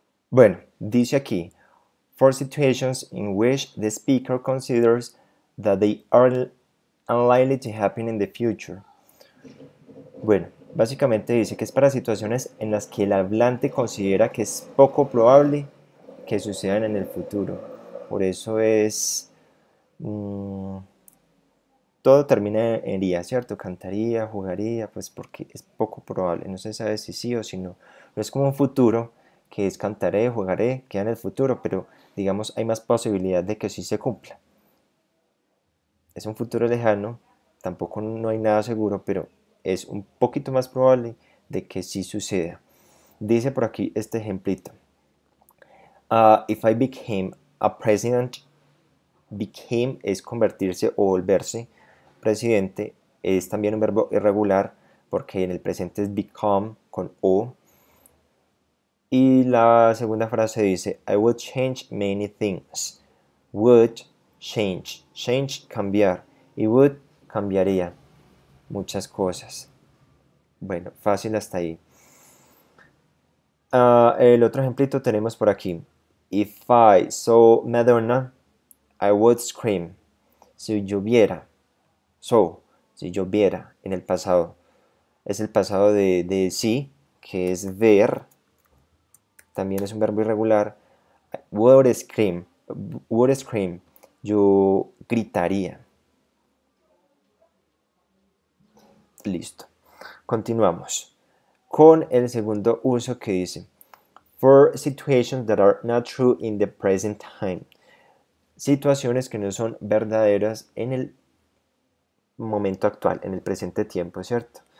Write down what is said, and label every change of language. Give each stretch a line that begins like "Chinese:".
Spanish: Bueno, dice aquí,
English: for situations in which the speaker considers that they are unlikely to happen in the future.
Spanish: Bueno, básicamente dice que es para situaciones en las que el hablante considera que es poco probable que sucedan en el futuro. Por eso es, todo termina en iría, ¿cierto? Cantaría, jugaría, pues porque es poco probable. No se sabe si sí o si no. No es como un futuro. Que es cantaré, jugaré, queda en el futuro, pero digamos hay más posibilidad de que sí se cumpla. Es un futuro lejano, tampoco no hay nada seguro, pero es un poquito más probable de que sí suceda. Dice por aquí este ejemplito.
English: If I became
Spanish: a president, became es convertirse o volverse. Presidente es también un verbo irregular porque en el presente es become con o. Y la segunda frase dice,
English: I would change many things. Would change. Change,
Spanish: cambiar. Y would, cambiaría muchas cosas. Bueno, fácil hasta ahí. El otro ejemplito tenemos por aquí.
English: If I saw Madonna, I would scream.
Spanish: Si yo viera. So, si yo viera en el pasado. Es el pasado de see, que es ver. También es un verbo irregular.
English: Would scream. Would scream.
Spanish: Yo gritaría. Listo. Continuamos con el segundo uso que dice.
English: For situations that are not true in the present time.
Spanish: Situaciones que no son verdaderas en el momento actual, en el presente tiempo, ¿cierto?